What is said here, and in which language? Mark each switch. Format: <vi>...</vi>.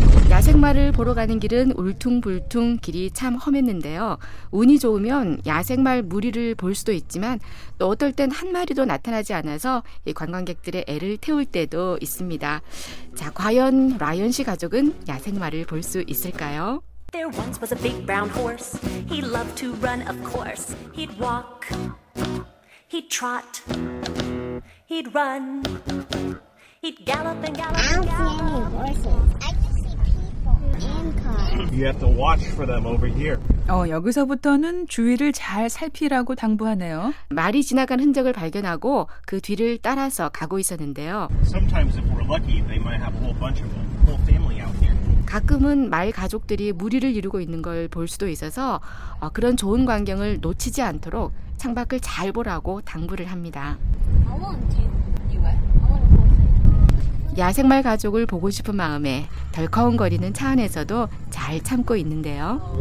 <ko>야생마를 보러 가는 길은 울퉁불퉁 길이 참 험했는데요. 운이 좋으면 야생말 무리를 볼 수도 있지만 또 어떨 땐 한 마리도 나타나지 않아서 관광객들의 애를 태울 때도 있습니다. 자, 과연 라이언 씨 가족은 야생마를 볼 수 있을까요?</ko> <en>There once was a big brown horse. He loved to run, of course. He'd walk. He'd trot. He'd run. He'd gallop and gallop and gallop. I don't see any horses. You have to watch for them over here.</en> <ko>여기서부터는 주위를 잘 살피라고 당부하네요. 말이 지나간 흔적을 발견하고 그 뒤를 따라서 가고 있었는데요.</ko> <en>Sometimes if we're lucky, they might have a whole bunch of them, whole family out here.</en> <ko>가끔은 말 가족들이 무리를 이루고 있는 걸 볼 수도 있어서 그런 좋은 광경을 놓치지 않도록 창밖을 잘 보라고 당부를 합니다.</ko> <en>I want to.</en> <ko>야생말 가족을 보고 싶은 마음에 덜컹거리는 차 안에서도 잘 참고 있는데요.</ko>